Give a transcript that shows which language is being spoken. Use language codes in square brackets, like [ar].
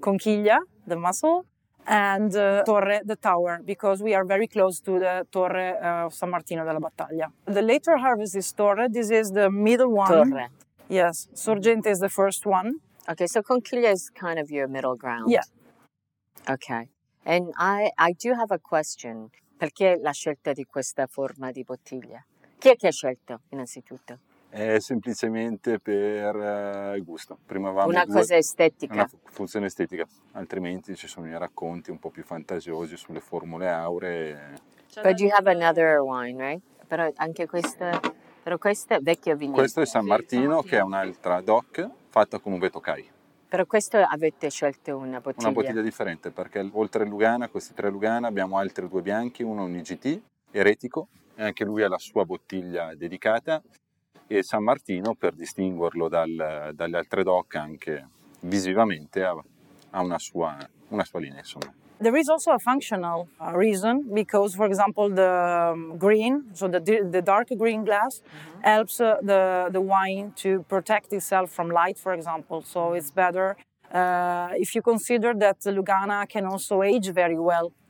[en] Conchiglia, the mussel, and Torre, the tower, because we are very close to the Torre of San Martino della Battaglia. The later harvest is Torre. This is the middle one. Torre. Yes. Sorgente is the first one. Okay, so Conchiglia is kind of your middle ground. Yeah. Okay. And I do have a question. [it] Perché la scelta di questa forma di bottiglia? Chi è che ha scelto, innanzitutto? È semplicemente per gusto. Prima avevamo una cosa estetica. Una funzione estetica. Altrimenti ci sono i racconti un po' più fantasiosi sulle formule auree. [en] But you have another wine, right? [it] Però anche questa, però questa è vecchio vigneto. Questo è San Martino, che è un'altra DOC fatta con un vetocai. Però questo avete scelto una bottiglia? Una bottiglia differente, perché oltre Lugana, questi tre Lugana, abbiamo altri due bianchi, uno un IGT, eretico, e anche lui ha la sua bottiglia dedicata. E San Martino, per distinguerlo dalle altre DOC, anche visivamente, ha una sua linea, insomma. [en] There is also a functional reason, because, for example, the green, so the dark green glass, mm-hmm. helps the wine to protect itself from light, for example. So it's better if you consider that Lugana can also age very well.